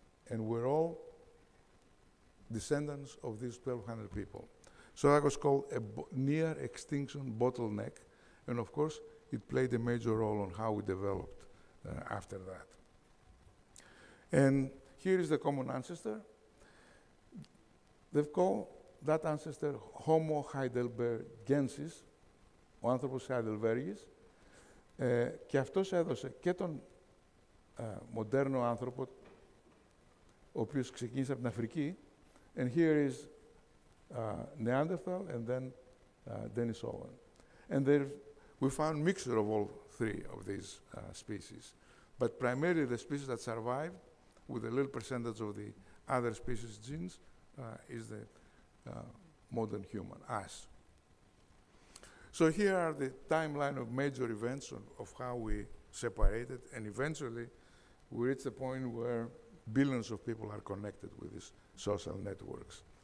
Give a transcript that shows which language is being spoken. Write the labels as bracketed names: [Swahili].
[English] And we're all descendants of these 1,200 people. So that was called a near extinction bottleneck. And of course, it played a major role on how we developed after that. And here is the common ancestor. They've called that ancestor Homo heidelbergensis, [Greek] ο άνθρωπος Heidelbergis, και αυτός έδωσε και τον μοντέρνο άνθρωπο, ο οποίος ξεκίνησε από την Αφρική, [English] and here is Neanderthal and then Denisovan. And there we found a mixture of all three of these species, but primarily the species that survived with a little percentage of the other species genes is the modern human, us. So here are the timeline of major events of how we separated, and eventually we reach the point where billions of people are connected with these social networks.